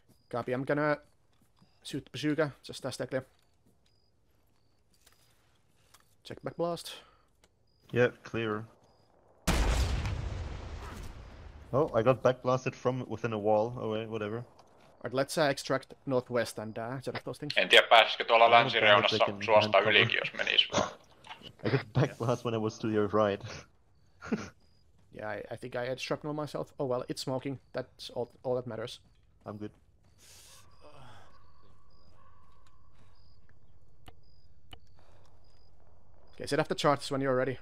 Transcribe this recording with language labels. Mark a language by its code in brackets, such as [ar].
[en] Copy, I'm gonna shoot the bazooka, just that's that clear. Check back blast. Yeah, clear. Oh, I got back blasted from within a wall, oh wait, whatever. Alright, let's extract northwest and check those things. [fi] En tiedä pääsisikö tuolla länsireunassa suosta ylikin, jos menis vaan. [en] I got backblast when I was to your right. Yeah, I think I had shrapnel myself. Oh well, it's smoking. That's all that matters. I'm good. Okay, set up the charts when you're ready.